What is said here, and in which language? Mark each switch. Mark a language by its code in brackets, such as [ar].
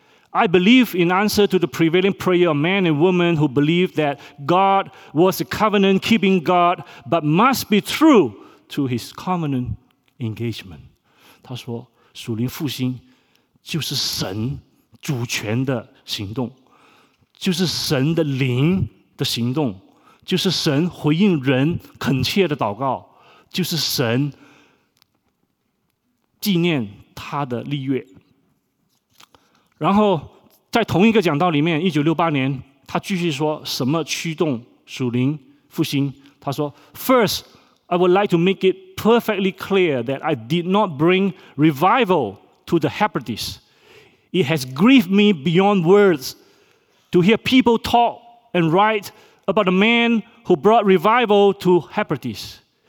[en] I believe in answer to the prevailing prayer of men and women who believe that God was a covenant-keeping God but must be true to his covenant engagement. [zh] 他说属灵复兴就是神主权的行动，就是神的灵的行动，就是神回应人恳切的祷告，就是神纪念他的立约。然后在同一个讲道里面，1968年，他继续说什么驱动属灵复兴。他说， [en] First, I would like to make it perfectly clear that I did not bring revival to the Hebrides. It has grieved me beyond words to hear people talk and write about a man who brought revival to Hebrides.